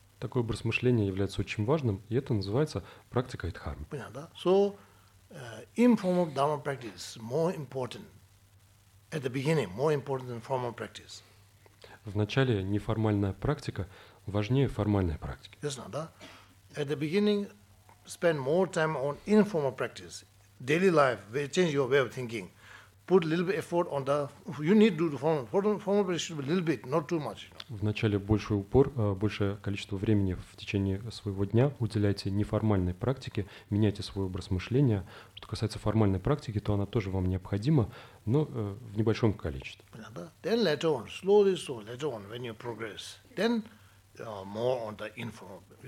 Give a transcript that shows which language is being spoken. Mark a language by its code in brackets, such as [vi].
[ru] Такой образ мышления является очень важным, и это называется практика дхармы. Понятно, да? [en] So, informal dharma practice more important at the beginning, more important than formal practice. Вначале неформальная практика важнее формальной практики. Ясно, да? At the beginning, spend more time on informal practice. Daily life will change your way of thinking. Put a little bit effort on the. You need to do the formal practice should be a little bit, not too much. [ru] Вначале больше упор, большее количество времени в течение своего дня уделяйте неформальной практике, меняйте свой образ мышления. Что касается формальной практики, то она тоже вам необходима, но в небольшом количестве. [en] Then later on, slowly, so later on, when you progress, then more on the informal.